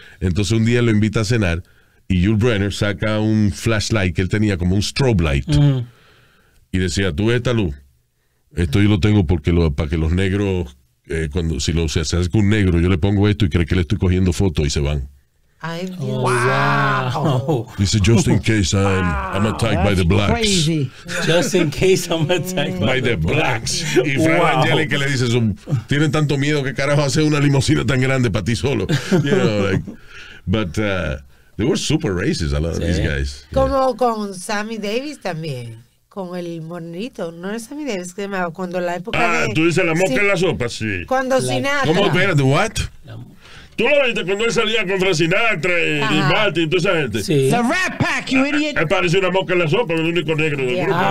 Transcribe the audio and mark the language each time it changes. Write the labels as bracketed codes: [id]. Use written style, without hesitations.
[es] Entonces un día lo invita a cenar y Yul Brynner saca un flashlight que él tenía, como un strobe light. Uh-huh. Y decía, ¿tú ves esta luz? Esto yo lo tengo para que los negros, si se acerca un negro, yo le pongo esto y cree que le estoy cogiendo fotos y se van. [en] Wow. [es] Dice, [en] just in case I'm attacked by the blacks. Crazy. Just in case I'm attacked by the blacks. [es] Y Frank Langella, que le dice, tienen tanto miedo que carajo hacer una limusina tan grande para ti solo. [en] You know, like, but they were super racist, a lot of these guys. [es] Como con Sammy Davis también. Con el monito, no es Sammy Davis, que me cuando la época. Ah, de... tú dices la mosca en la sopa, sí. Cuando Sinatra. ¿Cómo opera? ¿De [en] what? [es] ¿Tú lo viste cuando él salía contra Sinatra y Martin y toda esa gente? Sí. [en] The Rat Pack, you idiot. [es] Él parece una mosca en la sopa, el único negro del grupo.